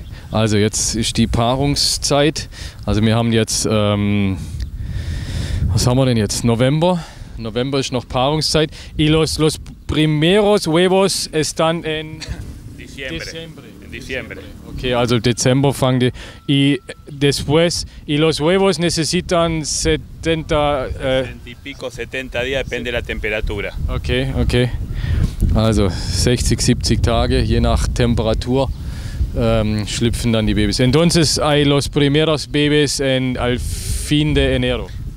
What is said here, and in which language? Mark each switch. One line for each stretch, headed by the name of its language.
German: Also jetzt ist die Paarungszeit. Also wir haben jetzt, was haben wir denn jetzt? November. November ist noch Paarungszeit.
Spanish: Y los primeros huevos están en diciembre. Diciembre.
German: Okay, also Dezember fangen die.
Spanish: Y después, y los huevos necesitan 70... 70 días, depende de la temperatura. Okay, okay.
German: Also 60, 70 Tage, je nach Temperatur, schlüpfen dann die Babys.
Spanish: Entonces hay los primeros bebés al fin de enero.